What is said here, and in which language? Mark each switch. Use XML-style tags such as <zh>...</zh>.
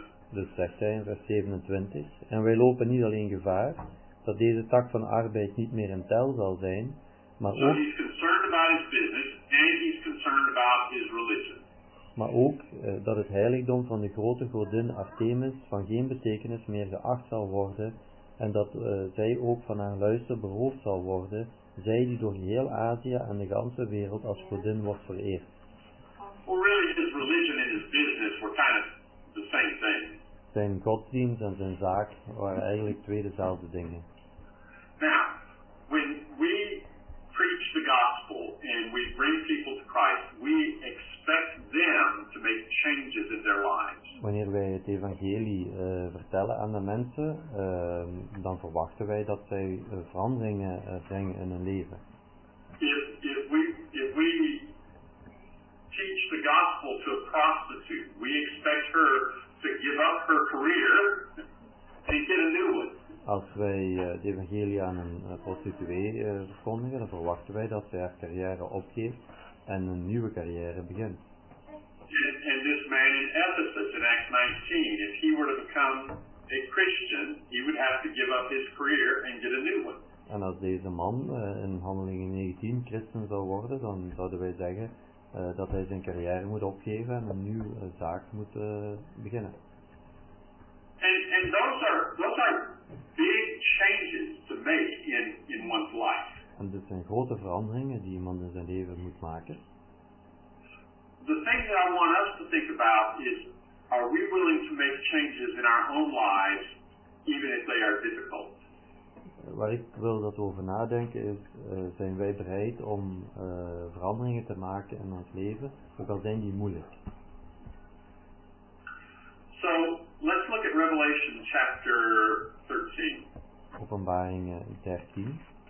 <nl>Dus zegt hij in vers 27, en wij lopen niet alleen gevaar dat deze tak van arbeid niet meer in tel zal zijn, maar ook,</nl> <en>so he's concerned about his business and he's concerned about his religion.</en> <nl>Maar ook dat het heiligdom van de grote godin Artemis van geen betekenis meer geacht zal worden en dat zij ook van haar luister beroofd zal worden, zij die door heel Azië en de ganse wereld als godin wordt vereerd.</nl> <en>Well, really, his religion and his business were kind of the same thing.</en> <nl>Zijn godsdienst en zijn zaak waren eigenlijk twee dezelfde dingen.</nl> <en>Now, when we preach the gospel and we bring people to Christ, we expect them to make changes in their lives.</en> <nl>Wanneer wij het evangelie vertellen aan de mensen, dan verwachten wij dat zij veranderingen brengen in hun leven.</nl> <en>If we teach the gospel to a prostitute, we expect her to give up her career and get a new one.</en> <nl>Als wij de evangelie aan een prostituee verkondigen, dan verwachten wij dat zij haar carrière opgeeft en een nieuwe carrière begint.</nl> <en>And this man in Ephesus in Acts 19, if he were to become a Christian, he would have to give up his career and get a new one.</en> <nl>En als deze man in Handelingen 19 christen zou worden, dan zouden wij zeggen dat hij zijn carrière moet opgeven en een nieuwe zaak moet beginnen.</nl> <en>And those are big changes to make in one's life.</en> <nl>En dit zijn grote veranderingen die iemand in zijn leven moet maken.</nl> <en>The thing that I want us to think about is, are we willing to make changes in our own lives, even if they are difficult?</en> <nl>Waar ik wil dat we over nadenken is, zijn wij bereid om veranderingen te maken in ons leven, ook al zijn die moeilijk.</nl> <en>So, let's look at Revelation chapter 13.</en> <nl>Openbaring 13.</nl>